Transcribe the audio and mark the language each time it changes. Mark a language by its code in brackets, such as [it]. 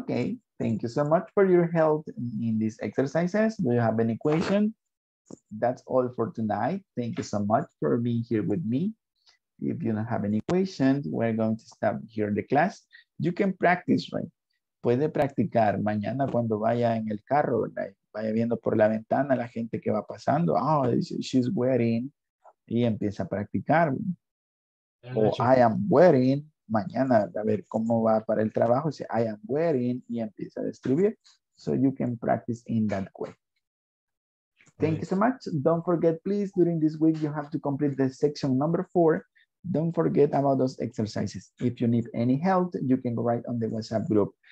[en] Okay, thank you so much for your help in these exercises. Do you have any question? That's all for tonight. Thank you so much for being here with me. If you don't have any questions, we're going to stop here in the class. You can practice, right? [es] Puede practicar mañana cuando vaya en el carro, ¿verdad? Vaya viendo por la ventana la gente que va pasando. [en] Oh, she's wearing. [es] Y empieza a practicar. [en] I am wearing. [es] Mañana, a ver cómo va para el trabajo. Dice, [en] I am wearing. [es] Y empieza a escribir. [en] So you can practice in that way. Thank you so much. Don't forget, please, during this week, you have to complete the section number 4. Don't forget about those exercises. If you need any help, you can go right on the WhatsApp group.